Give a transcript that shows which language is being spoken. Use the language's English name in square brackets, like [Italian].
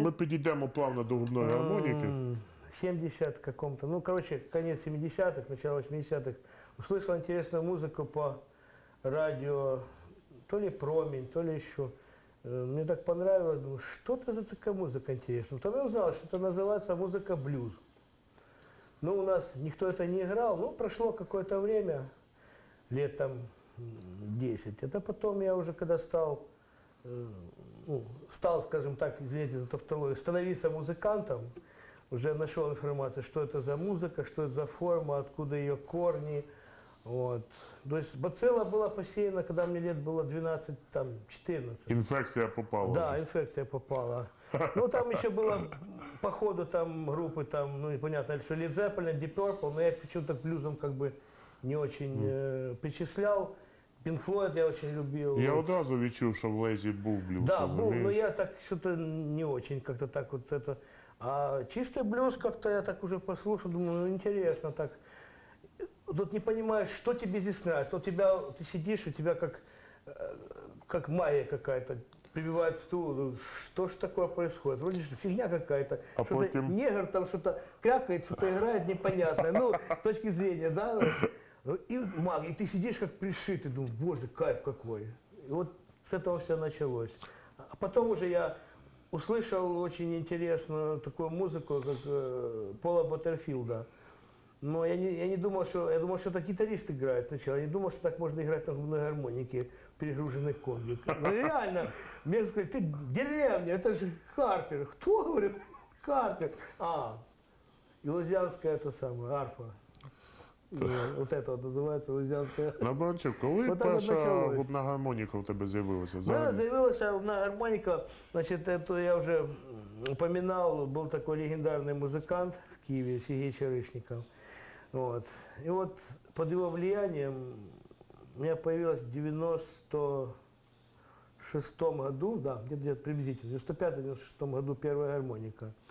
[Ukrainian] І ми підійдемо плавно до губної гармоніки. [Russian] 70 каком-то, ну, короче, конец 70-х, начало 80-х, услышал интересную музыку по радио, то ли «Промень», то ли еще. Мне так понравилось, думаю, что это за такая музыка интересная. Потом я узнал, что это называется музыка блюз. Ну, у нас никто это не играл, но прошло какое-то время, лет там 10. Это потом я уже, когда стал, скажем так, извините за тавтологию, становиться музыкантом, уже нашел информацию, что это за музыка, что это за форма, откуда ее корни. Вот. То есть бацилла была посеяна, когда мне лет было 12, там, 14. Инфекция попала. Да, инфекция попала. Ну, там еще было по ходу там группы, там, ну, непонятно, что Led Zeppelin, Deep Purple, но я почему-то к блюзам как бы не очень причислял. Pink Floyd я очень любил. [Ukrainian] Я одразу відчув, [Russian] что в Лейзи был блюз. Да, был, но я так что-то не очень как-то так вот это... А чистый блюз как-то я так уже послушал, думаю, ну интересно так. Тут не понимаешь, что тебе здесь нравится. Вот тебя, ты сидишь, у тебя как магия какая-то прибивает стул. Что ж такое происходит? Вроде же фигня какая-то. А что-то потом... негр там что-то крякает, что-то играет непонятное. Ну, с точки зрения, да? И магия. И ты сидишь как пришитый, думаешь, боже, кайф какой. И вот с этого все началось. А потом уже я... услышал очень интересную такую музыку, как Пола Баттерфилда. Но я думал, что это гитарист играет сначала. Я не думал, что так можно играть на губной гармонике, перегруженной комбик. Ну реально, мне сказали, ты деревня, это же Харпер. Кто, говорю, Харпер? А, Лузианская это самое, арфа. Вот это вот называется Лузианская. [Ukrainian] Набранчук, коли [Russian] вот [Ukrainian] перша губна гармоніка у тебе з'явилася? З'явилася губна гармоніка, значить, то я вже упоминав, був такий легендарний музикант в Києві, Сергій Черишніков. [Russian] Вот. [Ukrainian] І от під його [Russian] влиянням [Ukrainian] у мене з'явилася в 96-му [Russian] году, да, где-то приблизительно, [Ukrainian] в 95-96-му году перша гармоніка.